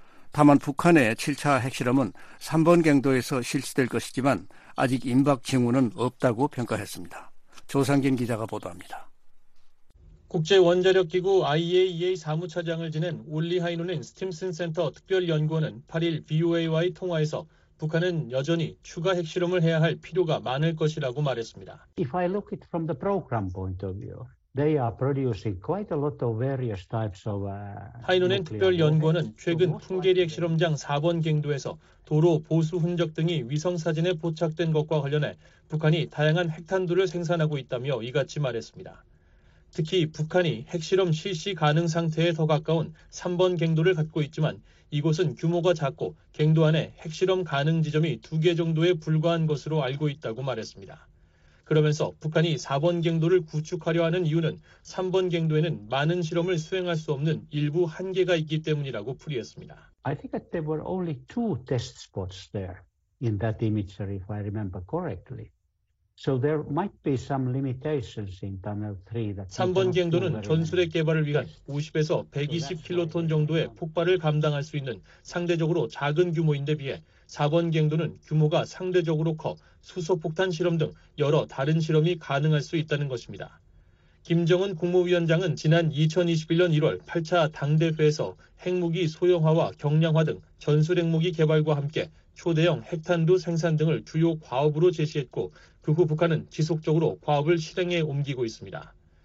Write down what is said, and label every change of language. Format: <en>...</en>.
<ko>다만 북한의 7차 핵실험은 3번 갱도에서 실시될 것이지만 아직 임박 징후는 없다고 평가했습니다. 조상진 기자가 보도합니다. 국제원자력기구 IAEA 사무차장을 지낸 울리하이누닌 스팀슨 센터 특별연구원은 8일 VOA와의 통화에서 북한은 여전히 추가 핵실험을 해야 할 필요가 많을 것이라고 말했습니다.</ko> <en>If I look it from the program point of view, they are producing quite a lot of various types of</en> <ko>하이누닌 특별연구원은 최근 풍계리 핵실험장 4번 갱도에서 도로 보수 흔적 등이 위성 사진에 포착된 것과 관련해 북한이 다양한 핵탄두를 생산하고 있다며 이같이 말했습니다. 특히 북한이 핵실험 실시 가능 상태에 더 가까운 3번 갱도를 갖고 있지만 이곳은 규모가 작고 갱도 안에 핵실험 가능 지점이 2개 정도에 불과한 것으로 알고 있다고 말했습니다. 그러면서 북한이 4번 갱도를 구축하려 하는 이유는 3번 갱도에는 많은 실험을 수행할 수 없는 일부 한계가 있기 때문이라고 풀이했습니다.</ko> <en>I think that there were only two test spots there in that imagery, if I remember correctly. So there might be some limitations in tunnel 3.</en> <ko>3번 갱도는 전술의 개발을 위한 50에서 120킬로톤 정도의 폭발을 감당할 수 있는 상대적으로 작은 규모인데 비해 4번 갱도는 규모가 상대적으로 커 수소폭탄 실험 등 여러 다른 실험이 가능할 수 있다는 것입니다. 김정은 국무위원장은 지난 2021년 1월 8차 당대회에서 핵무기 소형화와 경량화 등 전술 핵무기 개발과 함께 초대형 핵탄두 생산 등을 주요 과업으로 제시했고 그 후 북한은 지속적으로 과업을 실행에 옮기고 있습니다.</ko>